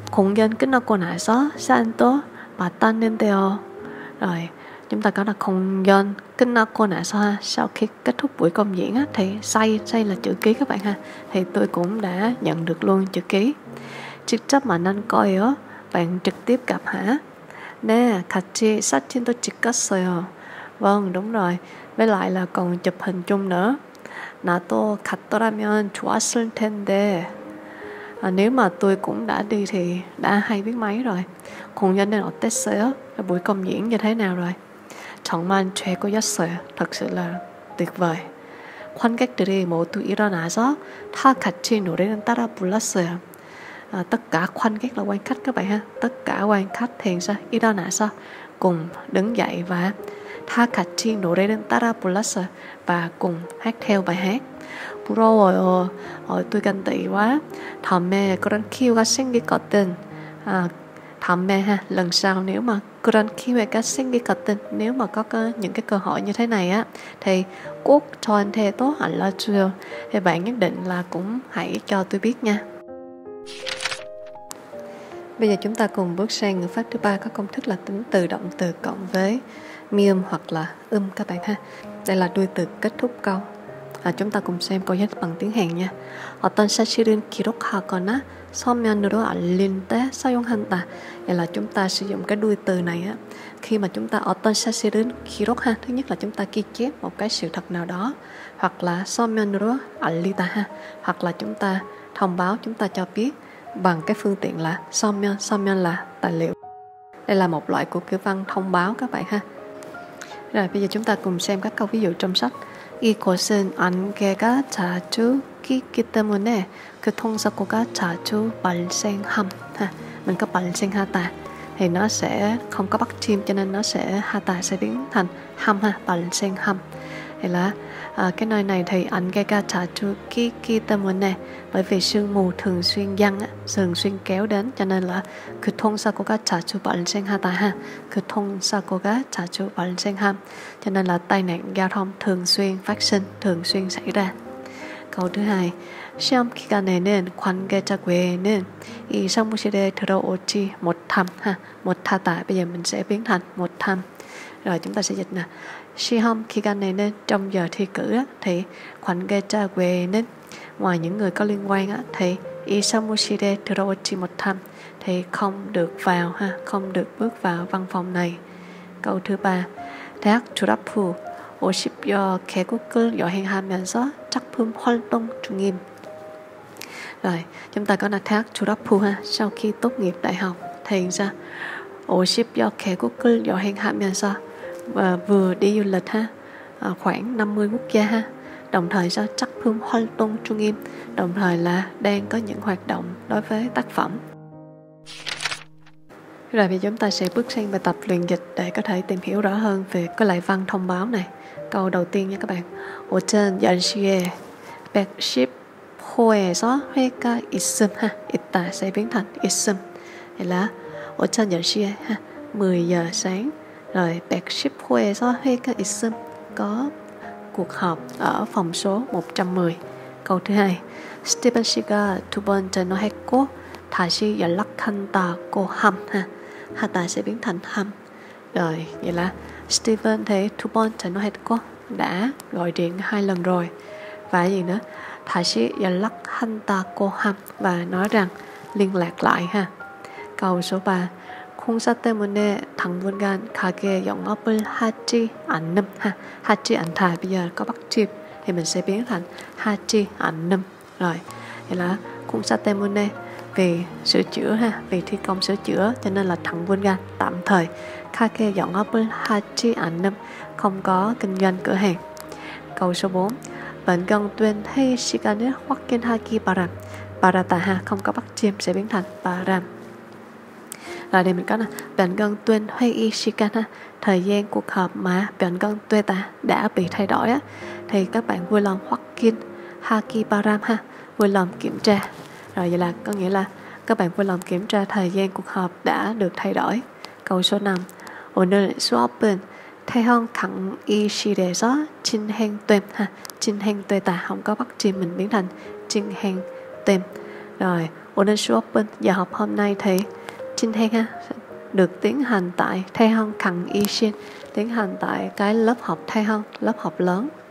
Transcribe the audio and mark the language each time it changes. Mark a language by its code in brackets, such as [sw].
[ko] 공연 끝나고 나서 산도 봤다는데요. [vi] Rồi chúng ta có là [ko] 공연 끝나고 나서 [vi] sau khi kết thúc buổi công diễn á, thì say là chữ ký các bạn ha. Thì tôi cũng đã nhận được luôn chữ ký. [ko] 직접 만난 거예요. [vi] Bạn trực tiếp gặp hả? [ko] 네, 같이 사진도 찍었어요. [vi] Vâng, đúng rồi. Với lại là còn chụp hình chung nữa. [ko] 나도 갔더라면 좋았을 텐데. [vi] À, nếu mà tôi cũng đã đi thì đã hay biết mấy rồi. [ko] 공연은 어땠어요? [vi] Buổi công diễn như thế nào rồi? [ko] 정말 최고였어요. [vi] Thật sự là tuyệt vời. [ko] 관객들이 모두 일어나서 다 같이 노래를 따라 불렀어요. [vi] À, tất cả 관객 là quan khách các bạn ha. Tất cả quan khách thì sao? [ko] 일어나서 [vi] cùng đứng dậy và [ko] 다 같이 노래를 따라 불렀어요. [vi] Và cùng hát theo bài hát. [ko] 부러워요. [vi] Tôi ganh tị quá. [ko] 다음에 그런 기회가 생기거든. [vi] À, [ko] 다음에 [vi] ha, lần sau nếu mà [ko] 그런 기회가 생기거든. [vi] Nếu mà có những cái cơ hội như thế này á thì [ko] 꼭 저한테 또 알려줘요. [vi] Thì bạn nhất định là cũng hãy cho tôi biết nha. Bây giờ chúng ta cùng bước sang ngữ pháp thứ ba có công thức là tính từ động từ cộng với miêm hoặc là các bạn ha. Đây là đuôi từ kết thúc câu. Chúng ta cùng xem câu giải bằng tiếng Hàn nha. [ko] 어떤 사실을 기록하거나 서면으로 알릴 때 사용한다. [vi] Vậy là chúng ta sử dụng cái đuôi từ này á. Khi mà chúng ta [ko] 어떤 사실을 기록하, [vi] thứ nhất là chúng ta ghi chép một cái sự thật nào đó, hoặc là [ko] 서면으로 알리다 [vi] ha, hoặc là chúng ta thông báo, chúng ta cho biết bằng cái phương tiện là 서면. 서면 là tài liệu. Đây là một loại của kiểu văn thông báo các bạn ha. Rồi bây giờ chúng ta cùng xem các câu ví dụ trong sách. [ko] 이곳은 안개가 자주 끼기 때문에 교통사고가 자주 발생함. [vi] Mình có 발생하다 thì nó sẽ không có bắt chim, cho nên nó sẽ 하다 sẽ biến thành 함 ha, 발생함. Thì là cái nơi này thì [ko] 안개가 자주 끼기 때문에, [vi] bởi vì sương mù thường xuyên giăng, thường xuyên kéo đến, cho nên là [ko] 교통사고가 자주 발생하다 [vi] ha, [ko] 교통사고가 자주 발생함, [vi] cho nên là tai nạn giao thông thường xuyên phát sinh, thường xuyên xảy ra. Câu thứ hai, [ko] 시험 기간에는 관계자 외에는 이 사무실에 들어오지 못함 ha, 못하다. [vi] Bây giờ mình sẽ biến thành 못함. Rồi chúng ta sẽ dịch nè. [ko] 시험 기간에는, [vi] trong giờ thi cử thì [ko] 관계자 외에는, [vi] ngoài những người có liên quan thì [ko] 이 사무실에 들어오지 못함, [vi] thì không được vào ha, không được bước vào văn phòng này. Câu thứ ba, [ko] 대학 졸업 후 50여 개국을 여행하면서 작품 활동 중임. [vi] Rồi, chúng ta có là [ko] 대학 졸업 후 [vi] ha, sau khi tốt nghiệp đại học thì sao? [ko] 50여 개국을 여행하면서, [vi] vừa đi du lịch ha, khoảng 50 quốc gia ha. Đồng thời sao? [ko] 작품 활동 중임, [vi] đồng thời là đang có những hoạt động đối với tác phẩm. Rồi thì chúng ta sẽ bước sang bài tập luyện dịch để có thể tìm hiểu rõ hơn về cái lại văn thông báo này. Câu đầu tiên nha các bạn. [ko] 오전 10시에 110호에서 회가 있음 ha. [vi] 있다 sẽ biến thành 있음. Thì là [ko] 오전 10시에 [vi] ha, 10 giờ sáng. Rồi [ko] 110호에서 회가 있음, [vi] có cuộc họp ở phòng số 110. Câu thứ hai. [ko] 스티븐 씨가 두 번 전화했고 다시 연락한다고 함 ha. [vi] 하다 sẽ biến thành 함. Rồi, vậy là Steven thì [ko] 두 번 전화했고, [vi] đã gọi điện hai lần rồi. Và gì nữa? [ko] 다시 연락한다고 함, [vi] và nói rằng liên lạc lại ha. Câu số 3. [ko] 공사 때문에 당분간 가게 영업을 하지 않음 ha. 하지 않다. [vi] Bây giờ có bắt chip thì mình sẽ biến thành [ko] 하지 않음. [vi] Rồi, vậy là [ko] 공사 때문에, [vi] vì sửa chữa ha, vì thi công sửa chữa, cho nên là 당분간 tạm thời [ko] 가게 영업을 하지 않음, [vi] không có kinh doanh cửa hàng. Câu số 4. [ko] 변경된 시간을 확인하기 바람. [vi] 바라다 ha, không có bắt chim, sẽ biến thành 바람. Rồi đây mình có nè. [ko] 변경된 시간 [vi] ha, thời gian cuộc họp mà 변경된 ta đã bị thay đổi á, thì các bạn vui lòng [ko] 확인하기 바람 [vi] ha, vui lòng kiểm tra. Rồi vậy là có nghĩa là Các bạn vui lòng kiểm tra thời gian cuộc họp đã được thay đổi. Câu số 5. [ko] 오늘 수업은 태형 강의실에서 진행됨. 진행되다. [vi] Không có bắt chim mình biến thành 진행됨. Rồi, [ko] 오늘 수업은 [vi] giờ học hôm nay thì 진행 ha. Được tiến hành tại [ko] 태형 강의실. [vi] Tiến hành tại cái lớp học 태형, lớp học lớn.